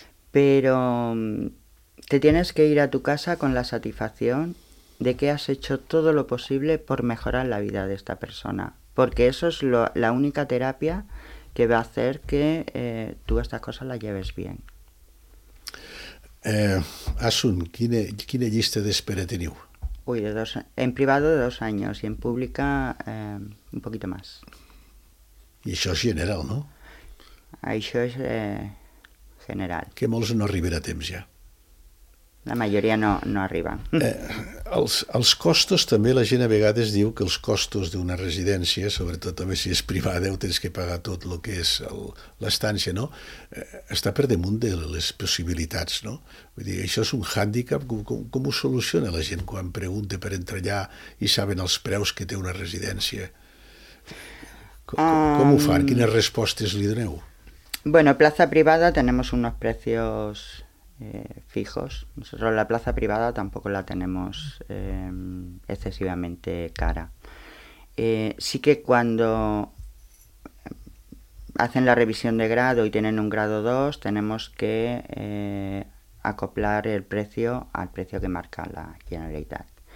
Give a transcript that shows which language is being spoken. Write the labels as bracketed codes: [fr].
[es] Pero te tienes que ir a tu casa con la satisfacción de que has hecho todo lo posible por mejorar la vida de esta persona. Porque eso es la única terapia que va a hacer que tú estas cosas las lleves bien. [ca] Asun, ¿quina llista d'espera teniu? [es] Uy, en privado 2 años y en pública un poquito más. [ca] I això és general, no? Això és... general. Que molts no arribarà a temps ja. La majoria no arriba. Els costos també, la gent a vegades diu que els costos d'una residència, sobretot també si és privada, ho tens que pagar tot el que és l'estància, no? Està per damunt de les possibilitats, no? Vull dir, això és un hàndicap. Com ho soluciona la gent quan pregunta per entrar allà i saben els preus que té una residència? Com ho fan? Quines respostes li doneu? [es] Bueno, plaza privada tenemos unos precios fijos. Nosotros la plaza privada tampoco la tenemos excesivamente cara. Sí que cuando hacen la revisión de grado y tienen un grado 2, tenemos que acoplar el precio al precio que marca la Generalitat.